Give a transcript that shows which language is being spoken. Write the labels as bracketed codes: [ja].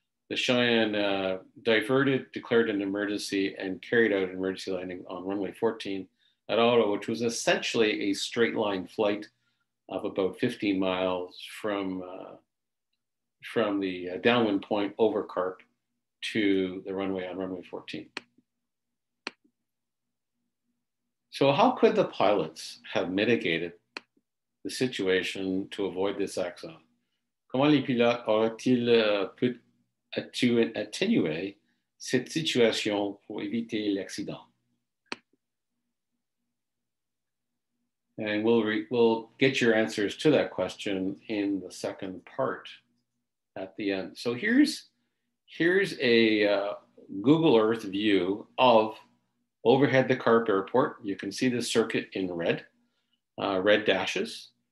[en] The Cheyenne diverted, declared an emergency, and carried out an emergency landing on runway 14 at Ottawa, which was essentially a straight line flight of about 15 miles from the downwind point over Carp to the runway on runway 14. So how could the pilots have mitigated the situation to avoid this accident? [fr] Comment les pilotes auraient-ils pu atténuer cette situation pour éviter l'accident? [en] And we'll get your answers to that question in the second part at the end. So here's a Google Earth view of overhead the Carp Airport. You can see the circuit in red, red dashes.